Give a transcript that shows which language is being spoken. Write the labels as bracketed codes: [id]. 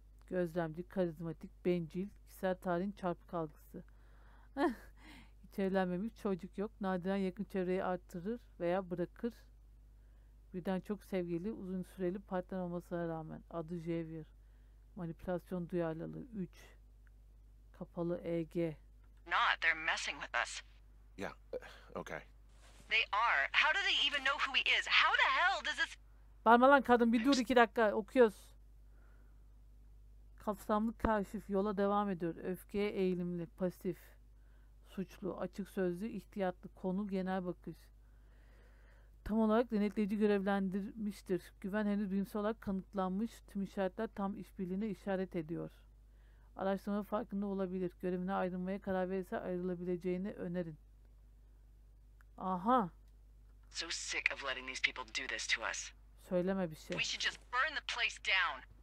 [tr] Gözlemci, karizmatik, bencil, kişisel tarihin çarpık algısı. Hiç evlenmemiş, çocuk yok. Nadiren yakın çevreyi artırır veya bırakır. Birden çok sevgili, uzun süreli partner olmasına rağmen. Adı Javier. Manipülasyon duyarlılığı. 3. Kapalı EG. [en] Not, they're messing with us. Yeah, okay. They are. How do they even know who he is? How the hell does this... [tr] Bağırma lan kadın, bir dur 2 dakika, okuyoruz. Kapsamlı kaşif, yola devam ediyor. Öfkeye eğilimli, pasif, suçlu, açık sözlü, ihtiyatlı, konu, genel bakış. Tam olarak denetleyici görevlendirmiştir. Güven henüz bilimsel olarak kanıtlanmış, tüm işaretler tam işbirliğine işaret ediyor. Araştırma farkında olabilir. Görevine ayrılmaya karar verirse ayrılabileceğini önerin. Aha! [en] So sick of letting these people do this to us. [tr] Söyleme bir şey. [en] We should just burn the place down.